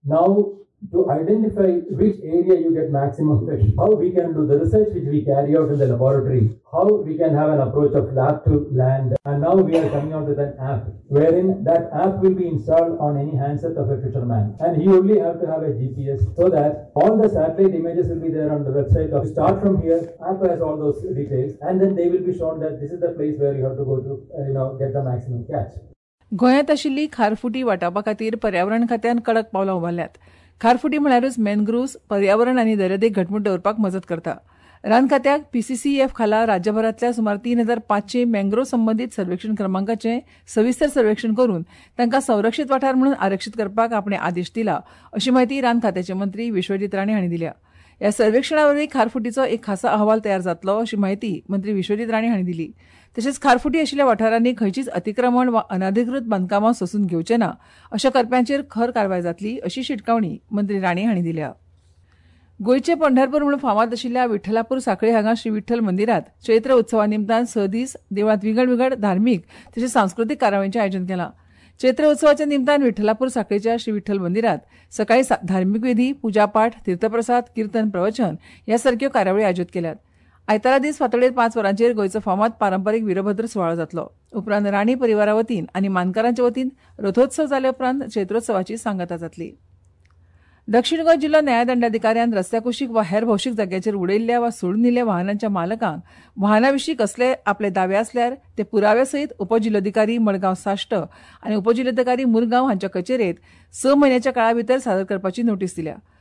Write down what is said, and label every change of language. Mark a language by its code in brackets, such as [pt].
[en] Now to identify which area you get maximum fish, how we can do the research which we carry out in the laboratory, how we can have an approach of lab to land, and now we are coming out with an app wherein that app will be installed on any handset of a fisherman and he only have to have a GPS so that all the satellite images will be there on the website of start from here, app has all those details and then they will be shown that this is the place where you have to go to get the maximum catch. [kok] गोयात अशिली खारफुटी वाटपा खातीर पर्यावरण खात्यान कडक पावलं उभारल्यात. खारफुटी म्हळ्यारूच मॅनग्रूव्स पर्यावरण आणि दर्यादेग घटमूट दवरपाक मजत करता. रान खात्याक PCCF खाला राज्यभरातल्या सुमार 3,500 मॅनग्रोव संबंधित सर्वेक्षण क्रमांकाचे सविस्तर सर्वेक्षण करून तांकां संरक्षित वाठार म्हणून आरक्षित करपाक आपणे आदेश दिला अशी माहिती रान खात्याचे मंत्री विश्वजीत राणे हांणी दिल्या. ह्या सर्वेक्षणावरवी खारफुटीचो एक खासा अहवाल तयार जातलो अशी माहिती मंत्री विश्वजीत राणे हांणी दिली. तशेंच खारफुटी आशिल्ल्या वाठारांनी खंयचीच अतिक्रमण वा अनधिकृत बांदकामां सोसून घेवचे ना अशा करप्यांचेर खर कारवाय जातली अशी शिटकावणी मंत्री राणे हांणी दिल्या. गोंयचे पंढरपूर म्हणून फामाद आशिल्ल्या विठ्ठलापूर साखळे हांगा श्री विठ्ठल मंदिरात चैत्र उत्सवा निमतान 6 दीस देवळांत विंगड विंगड धार्मीक तशेंच सांस्कृतीक कारवायांचे आयोजन केलां. चैत्र उत्सवाच्या निमतान विठ्ठलापूर साखळेच्या श्री विठ्ठल मंदिरात सकाळी धार्मिक विधी पूजापाठ तीर्थप्रसाद कीर्तन प्रवचन ह्या सारख्यो कार्यावळी आयोजित केल्यात. आयतारा दीस फातोडेर 5 वरांचेर गोंयचो फामाद पारंपारीक वीरभद्र सुवाळो जातलो. उपरांत राणी परिवारा वतीन आनी मानकारांच्या वतीन रथोत्सव जाले उपरांत चैत्रोत्सवाची सांगता जातली. दक्षिण गोंय जिल्हा न्यायदंडाधिकाऱ्यान रस्त्या कुशीक वा हेर भौशीक जाग्याचेर उडयल्ल्या वा सोडून दिल्ल्या वाहनांच्या मालकांक वाहनाविशी कसले आपले दावे आसल्यार ते पुराव्यासयत उपजिल्लोधिकारी मडगांव साश्ट आनी उपजिल्लोधिकारी मुरगांव हांच्या कचेरेंत 6 महिन्याच्या काळा भितर सादर करपाची नोटीस दिल्या.